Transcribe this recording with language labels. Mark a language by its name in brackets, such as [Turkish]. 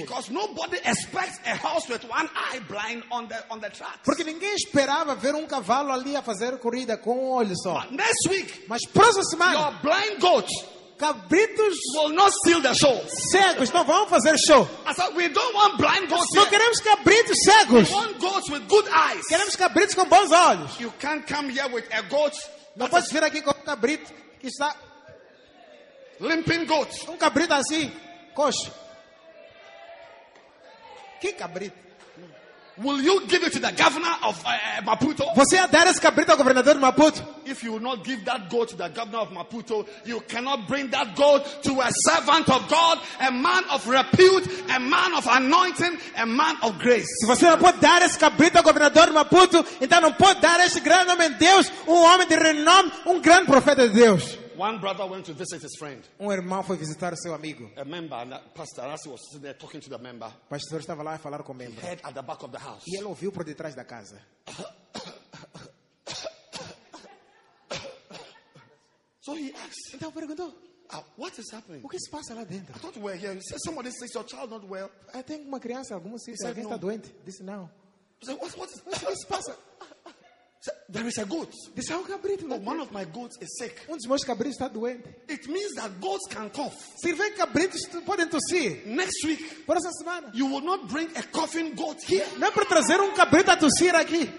[English] Because nobody expects a horse with one eye blind on the track. [Portuguese] Porque ninguém esperava ver cavalo ali a fazer corrida com olho só. [English] But next week, [Portuguese] mas próxima semana, [English] your blind goat, [Portuguese] cabritos [English] will not steal the show. [Portuguese] Cegos não vão fazer show. [English] I said, we don't want blind goats. [Portuguese] Não queremos cabritos cegos. [English] We want goats with good eyes. [Portuguese] Queremos cabritos com bons olhos. [English] You can't come here with a goat. [Portuguese] Não pode vir aqui com cabrito que está [English] limping goat. [Portuguese] Cabrito assim. Coxo. Que cabrito? [English] Will you give it to the governor of Maputo? [Portuguese] Você ia dar esse cabrito ao governador de Maputo? [English] If you will not give that goat to the governor of Maputo, you cannot bring that goat to a servant of God, a man of repute, a man of anointing, a man of grace. [Portuguese] Se você não pode dar esse cabrito ao governador de Maputo, então não pode dar esse grande homem de Deus, homem de renome, grande profeta de Deus. [English] One brother went to visit his friend. [Portuguese] Irmão foi visitar seu amigo. [English] A member, and a pastor, as he was sitting there talking to the member. [Portuguese] O pastor estava lá a falar com o membro. [English] He heard at the back of the house. [Portuguese] E ele ouviu por detrás da casa. [English] So he asked. [Portuguese] Então perguntou. [English] What is happening? [Portuguese] O que se passa lá dentro? [English] I thought we were here. He said, somebody says your child not well. I think [Portuguese] uma criança, alguma se está doente. Disse não. [English] I said, what [Portuguese] o que se passa? [English] There is a goat. [Portuguese] Disse há um cabrito. [English] Oh, one of my goats is sick. [Portuguese] Um dos meus cabritos está doente. [English] It means that goats can cough. [Portuguese] Se vê cabritos podem tossir. [English] Next week. [Portuguese] Por essa semana. [English] You will not bring a coughing goat here. [Portuguese] Não é para trazer um cabrito a tossir aqui.